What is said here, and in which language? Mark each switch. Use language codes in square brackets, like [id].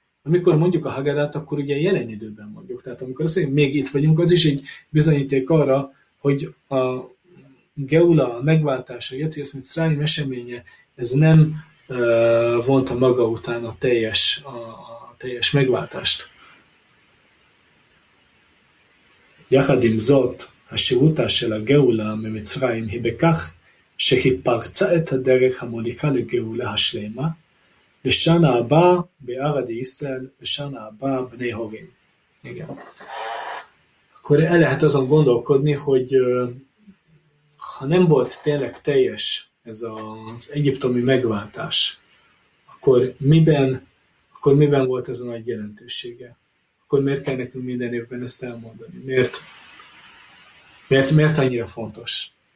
[hu] Amikor mondjuk a Hagadát, akkor ugye jelen időben mondjuk. Tehát amikor azt mondjuk, még itt vagyunk, az is egy bizonyíték arra, hogy a geula, a megváltása, a Yetziat Mitzrayim eseménye, ez nem vonta maga után a teljes megváltást. [he] Yachadim zot, השירותה של הגאולה ממצרים היא בכך שהיא פרצה את הדרך המוליכה לגאולה השלמה, לשנה הבאה בארד ישראל, לשנה הבאה בני הורים. [hu] Igen. Akkor el lehet azon gondolkodni, hogy ha nem volt tényleg teljes ez az egyiptomi megváltás, akkor miben volt ez a nagy jelentősége? Akkor miért kell nekünk minden évben ezt elmondani? Miért annyira fontos?